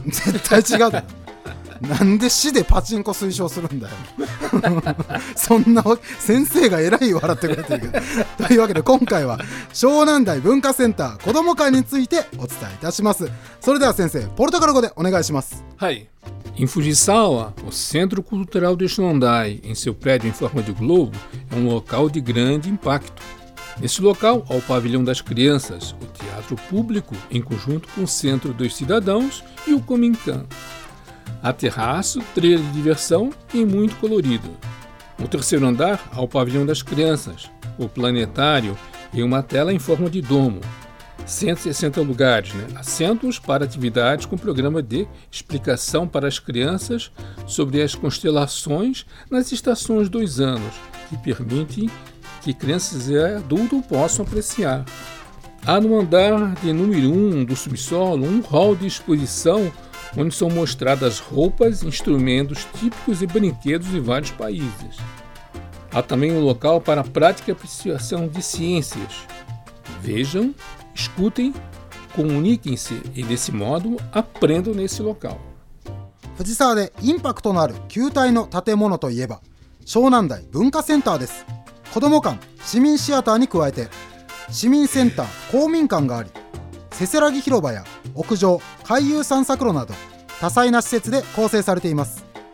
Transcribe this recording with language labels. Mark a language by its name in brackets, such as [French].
[Japanese] 絶対違うなんで市でパチンコ推奨するんだよそんな先生が偉い笑ってくれてるけどというわけで今回は湘南台文化センター子ども会についてお伝えいたします。それでは先生、ポルトガル語でお願いします。はい。 [Portuguese] Em Fujisawa, o Centro Cultural de Shondai, em seu prédio em forma de globo, é um local de grande impacto. Nesse local, há o Pavilhão das Crianças, o Teatro Público, em conjunto com o Centro dos Cidadãos e o Comintan. Há terraço, trilha de diversão e muito colorido. No terceiro andar, há o Pavilhão das Crianças, o Planetário e uma tela em forma de domo. 160 lugares, né? Assentos para atividades com programa de explicação para as crianças sobre as constelações nas estações dos anos, que permite que crianças e adultos possam apreciar. Há no andar de número 1 do subsolo um hall de exposição onde são mostradas roupas, instrumentos típicos e brinquedos de vários países. Há também um local para a prática e apreciação de ciências. Vejam, escutem, comuniquem-se e, desse modo, aprendam nesse local. [Japanese] 藤沢でインパクトのある球体の建物といえば、湘南台文化センターです。子ども館、市民シアターに加えて、市民センター、公民館があり、せせらぎ広場や屋上、回遊散策路など、多彩な施設で構成されています。